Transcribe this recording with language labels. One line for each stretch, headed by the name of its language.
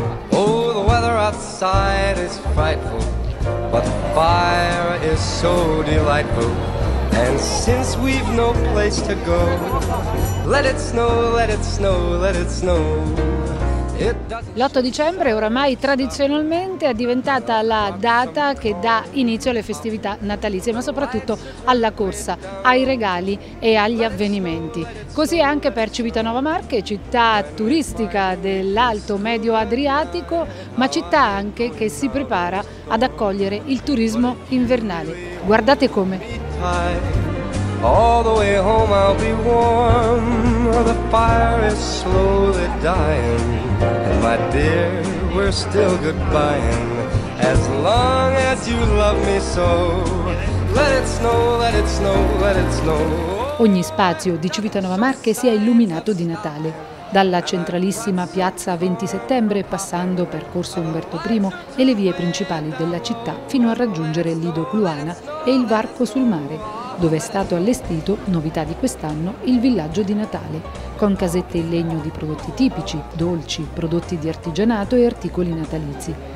English: Oh, the weather outside is frightful, but the fire is so delightful. And since we've no place to go, let it snow, let it snow, let it snow.
Italian: L'8 dicembre oramai tradizionalmente è diventata la data che dà inizio alle festività natalizie, ma soprattutto alla corsa, ai regali e agli avvenimenti. Così anche per Civitanova Marche, città turistica dell'alto medio adriatico, ma città anche che si prepara ad accogliere il turismo invernale. Guardate come.
English: All the way home I'll be warm, the fire is slowly dying. And my dear, we're still goodbying. As long as you love me so, let it snow, let it snow, let it snow.
Italian: Ogni spazio di Civitanova Marche si è illuminato di Natale. Dalla centralissima piazza 20 Settembre, passando per Corso Umberto I e le vie principali della città, fino a raggiungere Lido Cluana e il Varco sul Mare, dove è stato allestito, novità di quest'anno, il villaggio di Natale, con casette in legno di prodotti tipici, dolci, prodotti di artigianato e articoli natalizi.